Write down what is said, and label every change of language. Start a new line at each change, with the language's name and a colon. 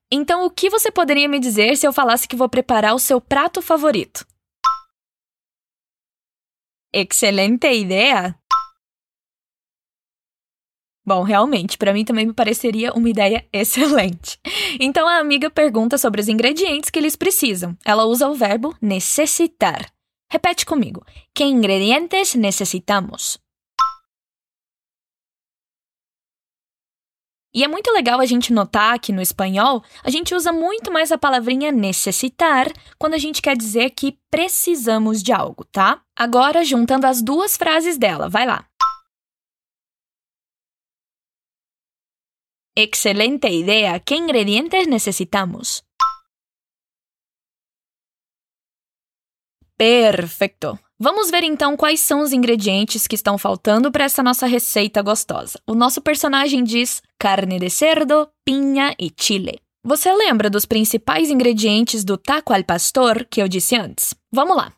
Portuguese: Então, o que você poderia me dizer se eu falasse que vou preparar o seu prato favorito?
Spanish: Excelente idea!
Portuguese: Bom, realmente, para mim também me pareceria uma ideia excelente. Então, a amiga pergunta sobre os ingredientes que eles precisam. Ela usa o verbo necessitar. Repete comigo.
Spanish: ¿Qué ingredientes necesitamos?
Portuguese: E é muito legal a gente notar que, no espanhol, a gente usa muito mais a palavrinha necessitar quando a gente quer dizer que precisamos de algo, tá? Agora, juntando as duas frases dela, vai lá. Excelente ideia!
Spanish: ¿Qué ingredientes necesitamos?
Portuguese: Perfeito! Vamos ver, então, quais são os ingredientes que estão faltando para essa nossa receita gostosa. O nosso personagem diz
Spanish: carne de cerdo,
Portuguese: pinha e chile. Você lembra dos principais ingredientes do taco al pastor que eu disse antes? Vamos lá!